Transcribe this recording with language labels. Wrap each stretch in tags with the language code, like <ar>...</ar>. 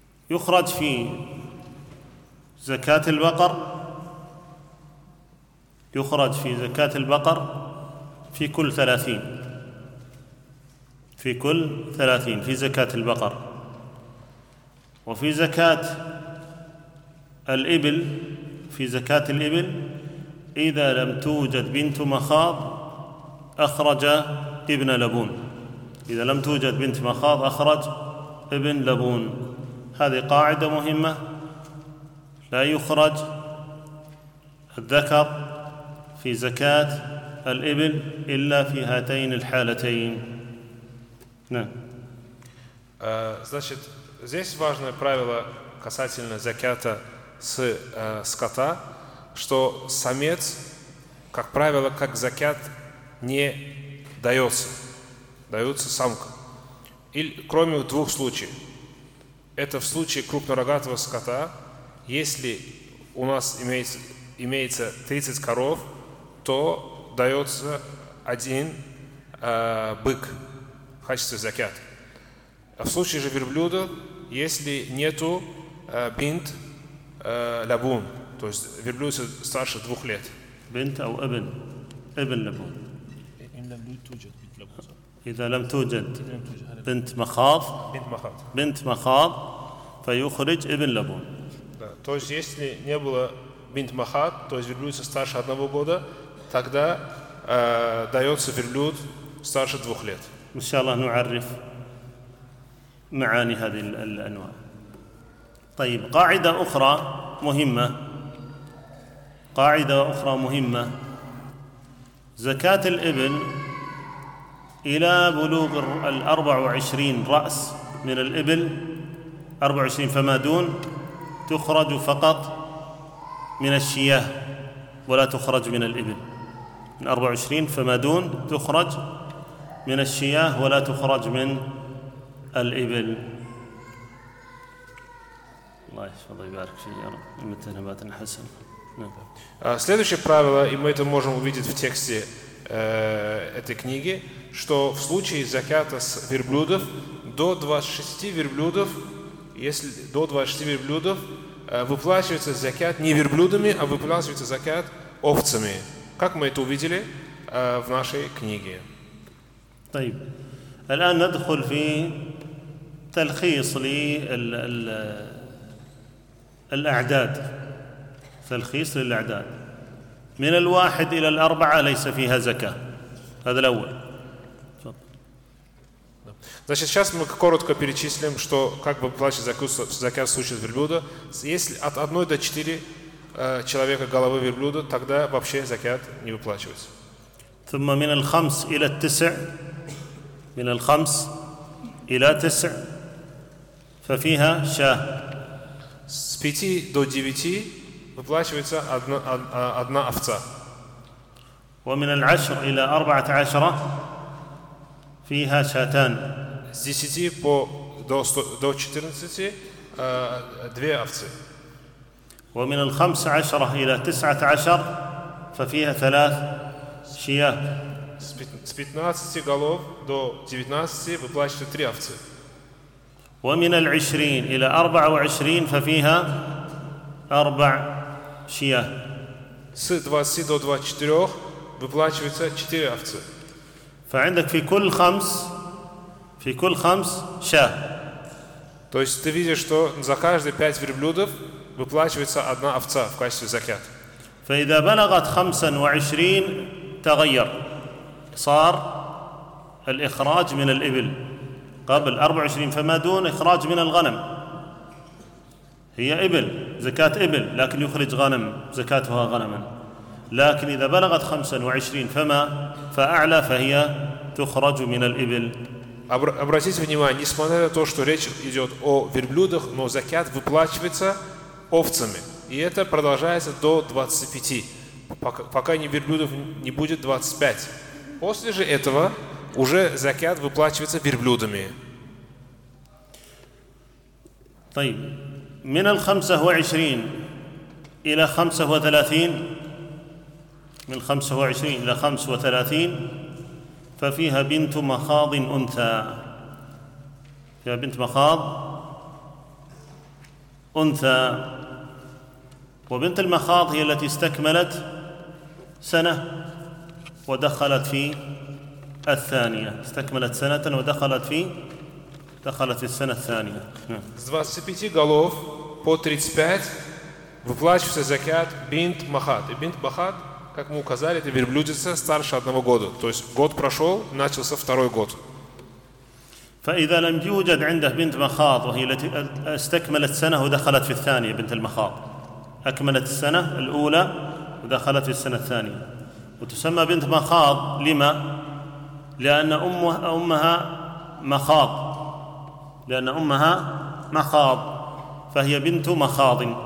<ar>يخرج في زكاة البقر، في كل ثلاثين في زكاة البقر، وفي زكاة الإبل إذا لم توجد بنت مخاض أخرج ابن لبون، إذا لم توجد بنت مخاض أخرج ابن لبون. هذه قاعدة مهمة، لا يخرج الذكر في زكاة الإبل إلا في هاتين الحالتين. نعم.</ar> <ru>Значит, здесь важное правило касательно заката с скота, что самец, как правило, как закят не дается. Даются самкам. Или, кроме двух случаев. Это в случае крупнорогатого скота, если у нас имеется имеется 30 коров, то дается один бык в качестве закят. В случае же верблюда, если нету бинт лабун, то есть верблюд старше 2 лет. Бинт ау эбен? Эбен лабун.</ru> <ar>إذا لم توجد بنت مخاض بنت مخاض فيخرج ابن لبون.</ar> <ru>То есть если не было бинт махад, то есть верблюд старше 1 года, тогда дается верблюд старше 2 лет.</ru> <ar>إن شاء الله نعرف معاني هذه الأنواع. طيب قاعدة أخرى مهمة. قاعدة أخرى مهمة. زكاة الإبل إلى بلوغ 24 رأس من الإبل 24 فما دون تخرج فقط من الشياه ولا تخرج من الإبل من 24 فما دون تخرج من الشياه ولا تخرج من الإبل. الله يحفظه يبارك فيه يا رب متى نبات حسن.</ar> <ru>Следующее правило, и мы это можем увидеть в тексте этой книги, что в случае закята с верблюдов до 26 верблюдов, если до 26 верблюдов выплачивается закят не верблюдами, а выплачивается закят овцами, как мы это увидели в нашей книге.</ru> <ar>طيب الآن ندخل في تلخيص لل الأعداد. تلخيص للأعداد من الواحد إلى الأربعة ليس فيها زكاة. هذا الأول.</ar> <ru>Значит, сейчас мы коротко перечислим, что как бы платить закят в случае верблюда. Если от 1 до 4 человека головы верблюда, тогда вообще закят не выплачивается.</ru> <ar>ثم من الخمس إلى التسع من الخمس إلى تسع ففيها شاة.</ar> <ru>С 5 до 9 выплачивается одна овца.</ru> <ar>ومن العشر إلى 14 فيها شاتان.</ar> <ru>С 10 по, до 14 две овцы.</ru> <ar>ومن الخمس عشرة إلى 19 ففيها ثلاث شياه.</ar> <ru>С 15 голов до 19 выплачивается 3 овцы.</ru> <ar>ومن العشرين إلى 24 ففيها 4 شياه.</ar> <ru>С 20 до 24 выплачивается 4 овцы.</ru> <ar>فعندك في كل خمس في كل خمس شاه.</ar> <ru>То есть ты видишь, что за каждые 5 верблюдов выплачивается 1 овца в качестве закят.</ru> <ar>فإذا بلغت 25 تغير صار الإخراج من الإبل قبل 24 فما دون إخراج من الغنم هي إبل زكاة إبل لكن يخرج غنم زكاتها غنما لكن إذا بلغت 25 فما فأعلى فهي تخرج من الإبل.</ar> <ru>Обратите внимание, несмотря на то, что речь идет о верблюдах, но закят выплачивается овцами. И это продолжается до 25, пока не верблюдов не будет 25. После же этого уже закят выплачивается верблюдами.</ru> <ar>طيب. من الخمسة وعشرين إلى خمسة وثلاثين من الخمسة وعشرين إلى خمسة وثلاثين ففيها بنت مخاض أنثى. فيها بنت مخاض أنثى. وبنت المخاض هي التي استكملت سنة ودخلت في الثانية. استكملت سنة ودخلت في دخلت في السنة الثانية.</ar> <ru>С 25 голов по 35 выплачивается закят бинт махад. И бинт махад, как мы указали, это верблюдица старше 1 года. То есть год прошел, начался 2-й год.</ru> <ar>فإذا لم يوجد عنده بنت مخاض وهي التي استكملت سنة ودخلت في الثانية بنت المخاض أكملت السنة الأولى ودخلت في السنة الثانية وتسمى بنت مخاض لما؟ لأن أمها مخاض لأن أمها مخاض فهي بنت مخاض.</ar>